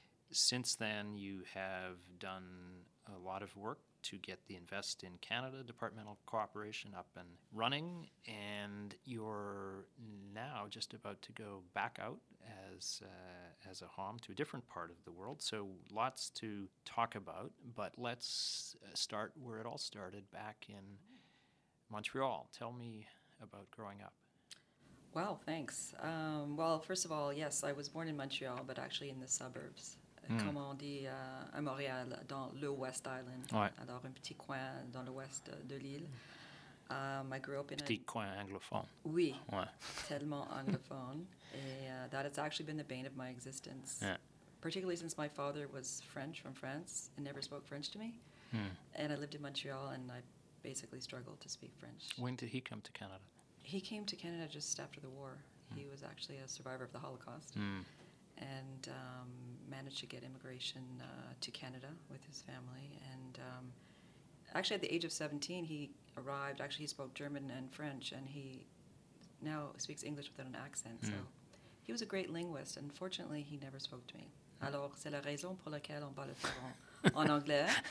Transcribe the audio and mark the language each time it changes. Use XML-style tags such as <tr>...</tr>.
<en>Since then, you have done a lot of work to get the Invest in Canada Departmental Cooperation up and running, and you're now just about to go back out as a HOM to a different part of the world. So lots to talk about, but let's start where it all started back in Montreal. Tell me about growing up. Wow, thanks. Well, first of all, yes, I was born in Montreal, but actually in the suburbs.</en> <fr>Comme on dit à Montréal, dans le West Island. Ouais. Alors, un petit coin dans le west de l'île.</fr> <en>I grew up in</en> <fr>petit coin anglophone. Oui. Ouais. Tellement anglophone.</fr> <en>Et that has actually been the bane of my existence. Yeah. Particularly since my father was French, from France, and never spoke French to me. And I lived in Montreal, and I basically struggled to speak French. When did he come to Canada? He came to Canada just after the war. He was actually a survivor of the Holocaust and managed to get immigration to Canada with his family. And actually at the age of 17, he arrived. Actually, he spoke German and French, and he now speaks English without an accent. So he was a great linguist. Unfortunately, he never spoke to me.</en> <fr>Alors, c'est la raison pour laquelle on parle souvent en anglais.</fr>